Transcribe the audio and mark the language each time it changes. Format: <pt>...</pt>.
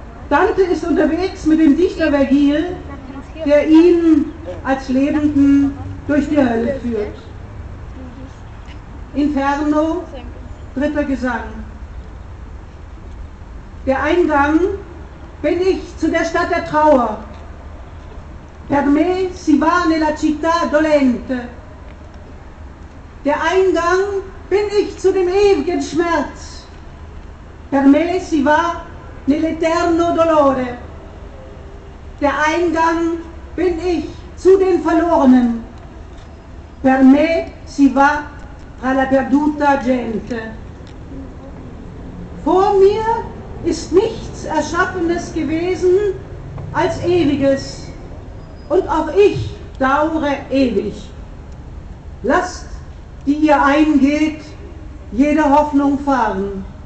<de>Dante ist unterwegs mit dem Dichter Vergil, der ihn als Lebenden durch die Hölle führt. Inferno, dritter Gesang. Der Eingang bin ich zu der Stadt der Trauer.</de> <it>Per me si va nella città dolente.</it> <de>Der Eingang bin ich zu dem ewigen Schmerz.</de> <it>Per me si va nell'eterno dolore.</it> <de>Der Eingang bin ich zu den Verlorenen.</de> <it>Per me si va alla perduta gente.</it> <de>Vor mir ist nichts Erschaffenes gewesen als Ewiges. Und auch ich daure ewig. Lasst, die ihr eingeht, jede Hoffnung fahren.</de>